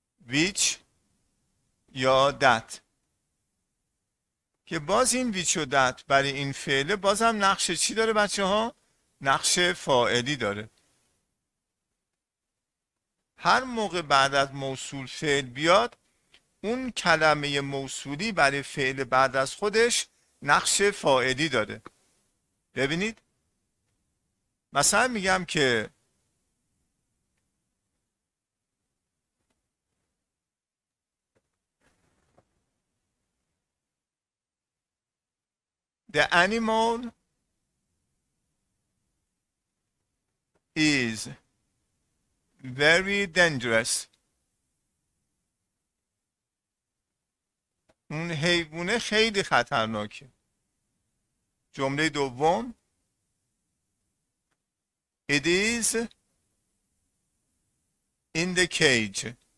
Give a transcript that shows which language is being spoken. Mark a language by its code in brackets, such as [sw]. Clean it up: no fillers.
[fa] which یا دت، که باز این ویچ و دت برای این فعل بازم نقش چی داره بچه ها؟ نقش فاعلی داره. هر موقع بعد از موصول فعل بیاد، اون کلمه موصولی برای فعل بعد از خودش نقش فاعلی داره. ببینید مثلا میگم که [en] The animal is very dangerous. [fa] اون حیوانه خیلی خطرناکه. جمله دوم [en] It is in the cage.